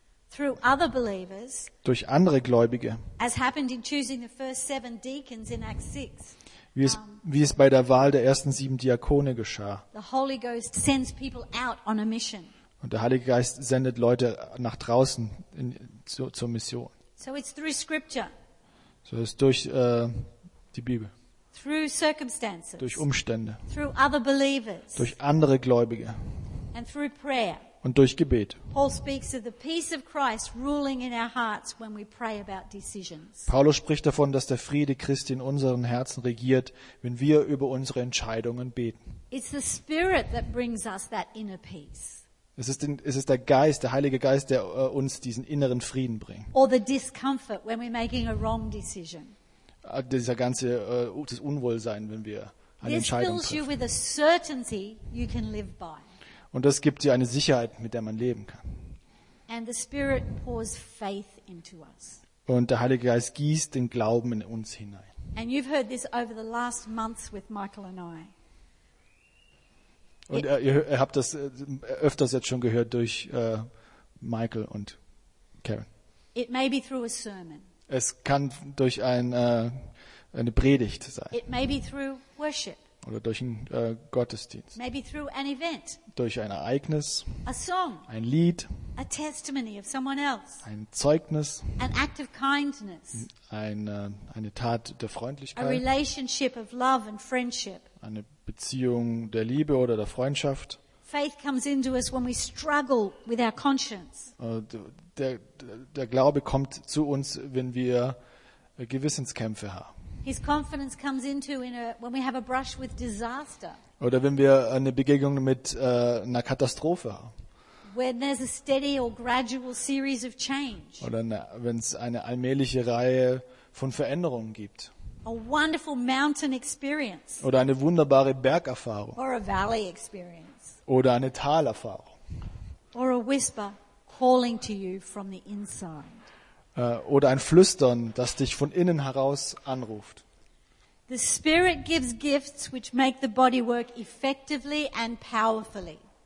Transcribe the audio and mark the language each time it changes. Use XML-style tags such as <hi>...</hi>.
<en>through other believers,</en> <de>durch andere Gläubige,</de> <en>as happened in choosing the first seven deacons in Acts 6.</en> <de>Wie es bei der Wahl der ersten sieben Diakone geschah.</de> <en>The Holy Ghost sends people out on a mission.</en> <de>Und der Heilige Geist sendet Leute nach draußen zur Mission.</de> <en>So it's through scripture.</en> <de>So ist durch die Bibel.</de> <en>Through circumstances.</en> <de>Durch Umstände.</de> <en>Through other believers.</en> <de>Durch andere Gläubige.</de> <en>And through prayer.</en> <de>Und durch Gebet.</de> <en>Paul speaks of the peace of Christ ruling in our hearts when we pray about decisions.</en> <de>Paulus spricht davon, dass der Friede Christi in unseren Herzen regiert, wenn wir über unsere Entscheidungen beten.</de> <en>It's the Spirit that brings us that inner peace.</en> <de>Es ist der Geist, der Heilige Geist, der uns diesen inneren Frieden bringt.</de> <en>Or the discomfort when we're making a wrong decision.</en> <de>Dieser ganze das Unwohlsein, wenn wir eine Entscheidung treffen.</de> <en>This fills you with a certainty you can live by.</en> <de>Und das gibt dir eine Sicherheit, mit der man leben kann.</de> <en>And the Spirit pours faith into us.</en> <de>Und der Heilige Geist gießt den Glauben in uns hinein.</de> <en>And you've heard this over the last months with Michael and I.</en> <de>Und ihr habt das öfters jetzt schon gehört durch Michael und Karen.</de> <en>It may be through a sermon.</en> <de>Es kann durch eine Predigt sein.</de> <en>It may be through worship.</en> <de>oder durch einen Gottesdienst,</de> <en>maybe through an event,</en> <de>durch ein Ereignis,</de> <en>a song,</en> <de>ein Lied,</de> <en>a testimony of someone else,</en> <de>ein Zeugnis,</de> <en>an act of kindness,</en> <de>eine Tat der Freundlichkeit,</de> <en>a relationship of love and friendship,</en> <de>eine Beziehung der Liebe oder der Freundschaft.</de> <en>Faith comes into us when we struggle with our conscience.</en> <de>Der Glaube kommt zu uns, wenn wir Gewissenskämpfe haben.</de> <en>His confidence comes into when we have a brush with disaster.</en> <de>Oder wenn wir eine Begegnung mit einer Katastrophe haben.</de> <en>When there's a steady or gradual series of change.</en> <de>Oder wenn es eine allmähliche Reihe von Veränderungen gibt.</de> <en>A wonderful mountain experience.</en> <de>Oder eine wunderbare Bergerfahrung.</de> <en>Or a valley experience.</en> <de>Oder eine Talerfahrung.</de> <en>Or a whisper calling to you from the inside.</en> <de>Oder ein Flüstern, das dich von innen heraus anruft.</de> <en>The Spirit gives gifts which make the body work effectively and powerfully.</en>